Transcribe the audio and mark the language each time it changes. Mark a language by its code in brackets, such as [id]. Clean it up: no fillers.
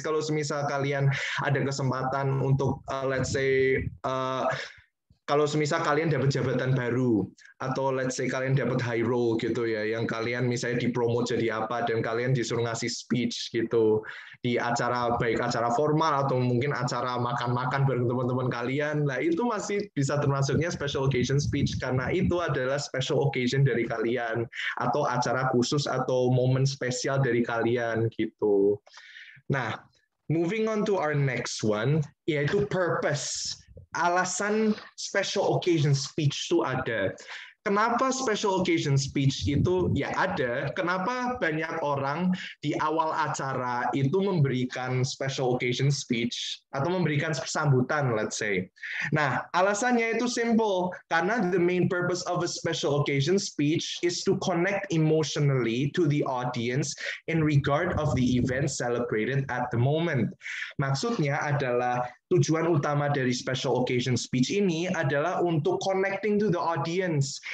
[id] Kalau semisal kalian ada kesempatan untuk [en] let's say [id] kalau semisal kalian dapat jabatan baru atau let's say kalian dapat [en] high role [id] gitu ya, yang kalian misalnya dipromote jadi apa dan kalian disuruh ngasih speech gitu di acara, baik acara formal atau mungkin acara makan-makan bareng teman-teman kalian, lah itu masih bisa termasuknya special occasion speech karena itu adalah special occasion dari kalian atau acara khusus atau momen spesial dari kalian gitu. [en] Nah, moving on to our next one, yaitu purpose. [id] Alasan special occasion speech itu ada. Kenapa special occasion speech itu ya ada? Kenapa banyak orang di awal acara itu memberikan special occasion speech atau memberikan sambutan, [en] let's say. [id] Nah, alasannya itu simple. Karena [en] the main purpose of a special occasion speech is to connect emotionally to the audience in regard of the event celebrated at the moment. [id] Maksudnya adalah tujuan utama dari special occasion speech ini adalah untuk [en] connecting to the audience.